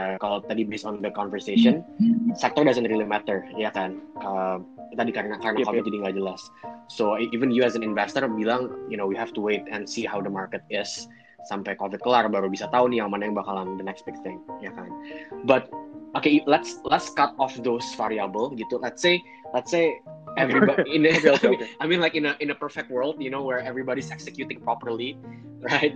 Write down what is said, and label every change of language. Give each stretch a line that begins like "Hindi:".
Indonesian: Kalau tadi
English: based on the conversation, sector doesn't really matter,
Indonesian: ya kan? Tadi karena COVID jadi nggak jelas.
English: So even you as an investor
Indonesian: bilang,
English: you know, we have to wait and see how the market is.
Indonesian: Sampai COVID kelar baru bisa tahu nih yang mana yang bakalan
English: the next big thing,
Indonesian: ya kan?
English: But okay, let's cut off those variable
Indonesian: gitu.
English: Let's say in a perfect world, you know, where everybody's executing properly, right?